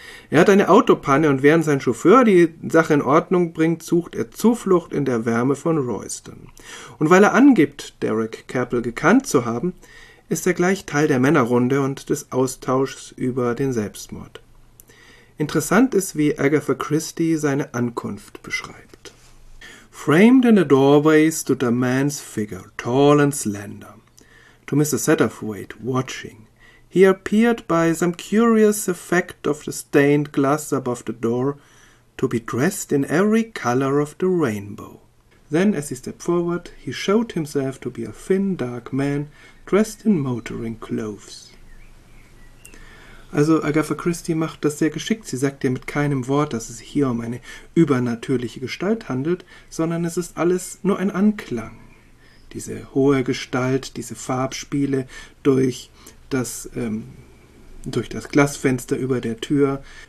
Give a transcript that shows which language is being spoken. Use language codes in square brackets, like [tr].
[de] Er hat eine Autopanne und während sein Chauffeur die Sache in Ordnung bringt, sucht er Zuflucht in der Wärme von Royston. Und weil er angibt, Derek Cappell gekannt zu haben, ist er gleich Teil der Männerrunde und des Austauschs über den Selbstmord. Interessant ist, wie Agatha Christie seine Ankunft beschreibt. [en] Framed in the doorway stood a man's figure, tall and slender. To Mr. Satterthwaite, watching, he appeared by some curious effect of the stained glass above the door to be dressed in every color of the rainbow. Then, as he stepped forward, he showed himself to be a thin, dark man dressed in motoring clothes. [de] Also Agatha Christie macht das sehr geschickt. Sie sagt ja mit keinem Wort, dass es hier um eine übernatürliche Gestalt handelt, sondern es ist alles nur ein Anklang. Diese hohe Gestalt, diese Farbspiele durch das Glasfenster über der Tür.